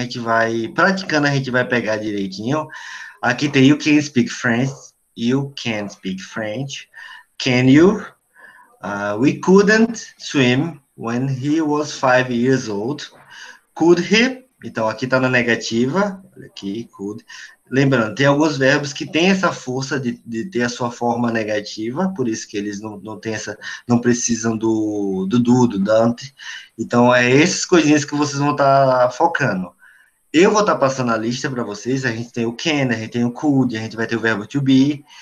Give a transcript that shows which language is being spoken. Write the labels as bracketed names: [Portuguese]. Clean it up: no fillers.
[Portuguese] A gente vai, praticando, a gente vai pegar direitinho. Aqui tem [English] you can speak French, you can speak French, can you? We couldn't swim when he was 5 years old. Could he? [Portuguese] Então, aqui está na negativa. Olha aqui, could. Lembrando, tem alguns verbos que têm essa força de ter a sua forma negativa, por isso que eles não têm essa, não precisam do Dante. Então, é essas coisinhas que vocês vão estar focando. Eu vou estar passando a lista para vocês. A gente tem o can, a gente tem o could, a gente vai ter o verbo to be.